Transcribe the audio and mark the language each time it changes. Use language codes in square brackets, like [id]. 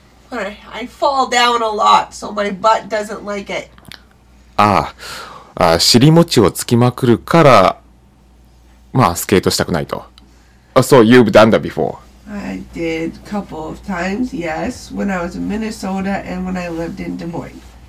[en] I fall down a lot, so my butt doesn't like it. [ja] ああ、尻餅をつきまくるから、まあスケートしたくないと。 [en] So you've done that before? I did a couple of times, yes, when I was in Minnesota and when I lived in Des Moines.